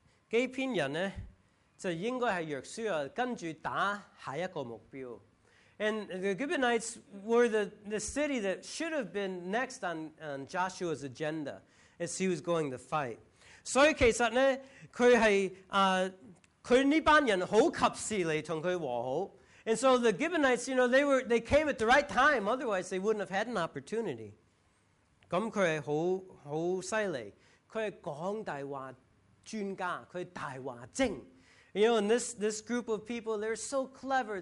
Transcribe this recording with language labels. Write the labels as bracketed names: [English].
[Chinese] 基篇人呢, 就应该是约书亚跟着打下一个目标。 [English] And the Gibeonites were the city that should have been next on Joshua's agenda as he was going to fight. [Chinese] 所以其实呢,他这帮人很及时来跟他和好。 [English] And so the Gibeonites, you know, they came at the right time, otherwise they wouldn't have had an opportunity. [Chinese] 那他是很厉害,他是讲大话专家,他是大话精。 [English] You know, and this group of people, they're so clever.